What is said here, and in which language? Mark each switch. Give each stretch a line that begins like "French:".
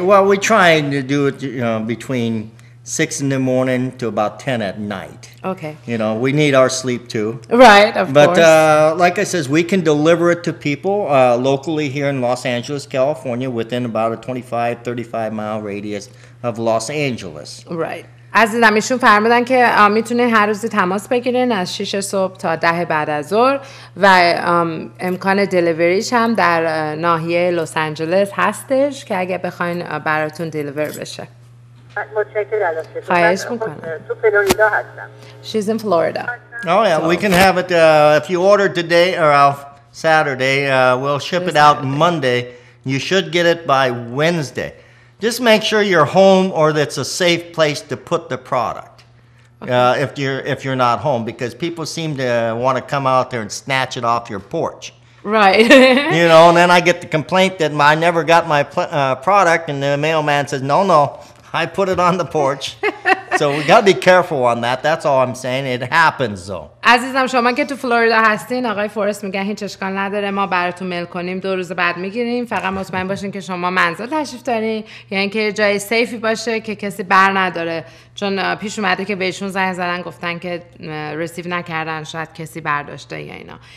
English: Well, we're trying to do it between 6 in the morning to about 10 at night. Okay. You know, we need our sleep too. Right, of but, course. But like I says, we can deliver it to people locally here in Los Angeles, California, within about a 25-35 mile radius of Los Angeles. Right.
Persian: عزیزم ایشون فرمودن که میتونه هر روزی تماس بگیرین از 6 صبح تا 10 بعد از ظهر و امکان دلیوریش هم در ناحیه لس آنجلس هستش که اگه بخواین براتون دلیور بشه. متشکرم. خواهش میکنم. تو فلوریدا هستم.
English: She's in Florida. Oh yeah, so. We can have it if you order today or Saturday, we'll ship it out Monday. You should get it by Wednesday. Just make sure you're home or that it's a safe place to put the product if you're not home, because people seem to want to come out there and snatch it off your porch. Right. You know, and then I get the complaint that I never got my product, and the mailman says, no, I put it on the porch. So we got to be careful on that. That's all I'm saying. It happens, though.
Persian: عزیزم شما که تو فلوریدا هستین، آقای فورست میگه هیچ اشکال نداره ما براتون میل کنیم، دو روز بعد میگیریم. فقط مطمئن باشین که شما منزل تشریف دارین، یعنی که جای سیفی باشه که کسی بر نداره. چون پیش اومده که بهشون زنگ زدن گفتن که ریسیو نکردن، شاید کسی برداشته یا اینا.